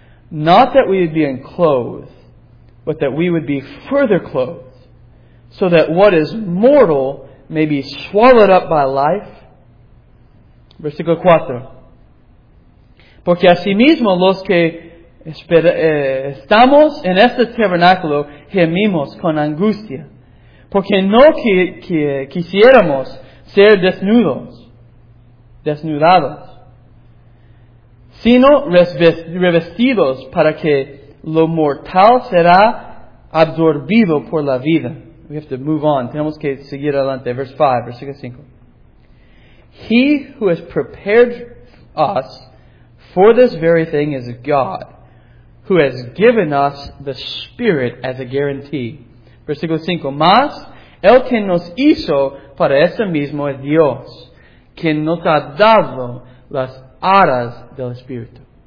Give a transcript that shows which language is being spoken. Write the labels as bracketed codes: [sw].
[en] Not that we would be enclosed, but that we would be further clothed, so that what is mortal may be swallowed up by life. [es] Versículo 4. Porque asimismo los que estamos en este tabernáculo gemimos con angustia. Porque no quisiéramos ser desnudados, sino revestidos para que lo mortal será absorbido por la vida. [en] We have to move on. [es] Tenemos que seguir adelante. Verse 5, versículo 5. [en] He who has prepared us for this very thing is God, who has given us the Spirit as a guarantee. [es] Versículo 5. Mas el que nos hizo para eso mismo es Dios, quien nos ha dado las arras del Espíritu.